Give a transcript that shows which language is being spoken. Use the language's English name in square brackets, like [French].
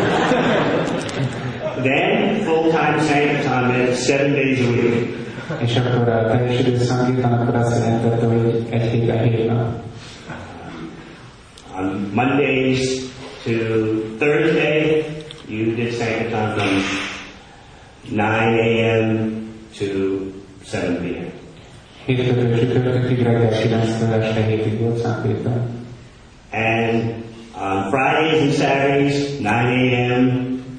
[English] Then full-time sankirtan meant 7 days a week. [Hungarian] És akkor a teljes idő szankirtan akkor azt jelentette, hogy egy hét a hét nap. [English] On Mondays to Thursday, you did sankirtan from 9 a.m. to 7 p.m. [Hungarian] Hétfőtől csütörtökig reggel 9-től este 7-ig volt szankirtan. [English] And on Fridays and Saturdays, 9 a.m.